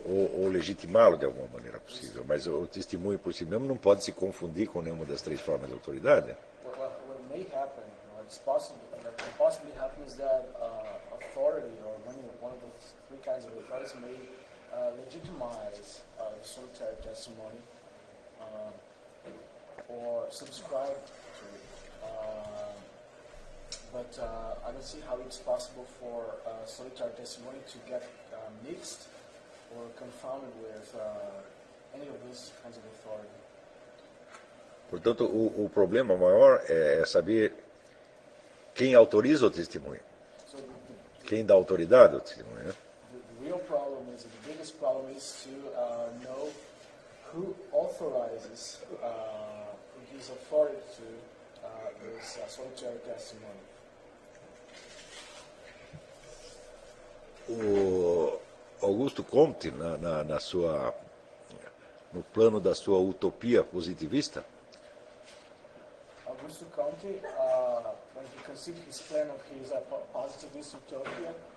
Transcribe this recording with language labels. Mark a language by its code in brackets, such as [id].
[pt] Ou legitimá-lo de alguma maneira possível. Mas o testemunho por si mesmo não pode se confundir com nenhuma das três formas de autoridade. [en] May happen, or it's possible, that can possibly happen is that authority or one of the three kinds of authorities may legitimize the solitary testimony or subscribe to it. But I don't see how it's possible for solitary testimony to get mixed or confounded with any of those kinds of authority. [pt] Portanto, o problema maior é saber quem autoriza o testemunho, quem dá autoridade ao testemunho. [en] The real problem is, the biggest problem is to know who authorizes, who gives authority to this solitary testimony. [pt] O Augusto Comte, no plano da sua utopia positivista, [en] Augusto Comte, when he conceived his plan of his positivist utopia,